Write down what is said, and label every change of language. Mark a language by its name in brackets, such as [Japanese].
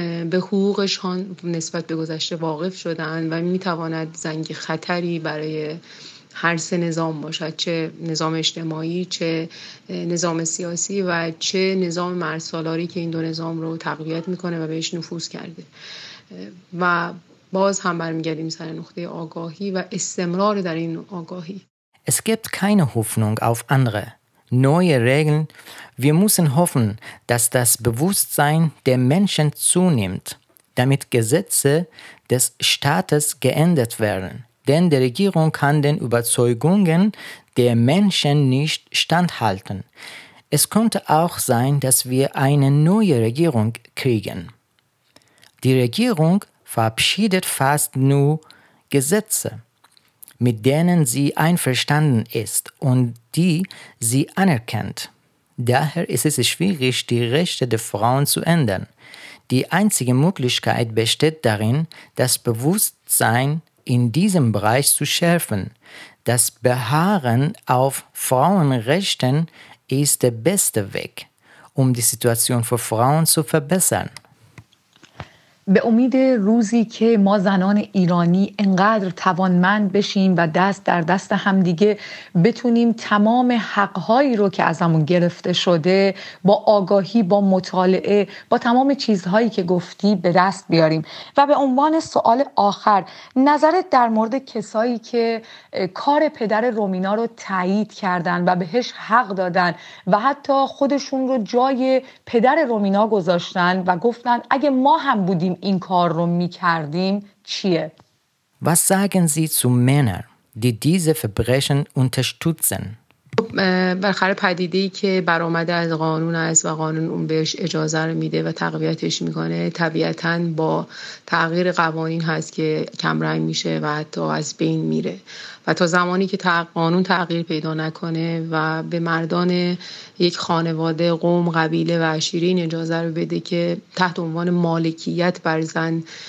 [Persian] به حقوقشان نسبت به گذشته واقف شدن و میتواند زنگ خطری برای هر سه نظام باشد، چه نظام اجتماعی، چه نظام سیاسی و چه نظام مردسالاری که این دو نظام رو تقویت میکنه و بهش نفوذ کرده. و باز هم برمیگردیم سر نقطه آگاهی و استمرار در این آگاهی. [German] Es gibt keine Hoffnung auf andere neue Regeln. Wir müssen hoffen, dass das Bewusstsein der Menschen zunimmt, damit Gesetze des Staates geändert werden. Denn die Regierung kann den Überzeugungen der Menschen nicht standhalten. Es könnte auch sein, dass wir eine neue Regierung kriegen. Die Regierung verabschiedet fast nur Gesetze, mit denen sie einverstanden ist und die sie anerkennt. Daher ist es schwierig, die Rechte der Frauen zu ändern. Die einzige Möglichkeit besteht darin, das Bewusstsein in diesem Bereich zu schärfen. Das Beharren auf Frauenrechten ist der beste Weg, um die Situation für Frauen zu verbessern. [Persian] به امید روزی که ما زنان ایرانی انقدر توانمند بشیم و دست در دست هم دیگه بتونیم تمام حقهایی رو که ازمون گرفته شده با آگاهی، با مطالعه، با تمام چیزهایی که گفتی به دست بیاریم. و به عنوان سوال آخر، نظرت در مورد کسایی که کار پدر رومینا رو تایید کردن و بهش حق دادن و حتی خودشون رو جای پدر رومینا گذاشتن و گفتن اگه ما هم بودیم این کار رو میکردیم چیه؟ [German] Was sagen Sie zu Männern, die diese Verbrechen unterstützen? [Persian] بالاخره پدیده‌ای که برآمده از قانون است و قانون اون بهش اجازه رو میده و تقویتش میکنه، طبیعتاً با تغییر قوانین هست که کم رنگ میشه و حتی از بین میره. و تا زمانی که قانون تغییر پیدا نکنه و به مردان یک خانواده، قوم، قبیله و عشیره این اجازه رو بده که تحت عنوان مالکیت بر زن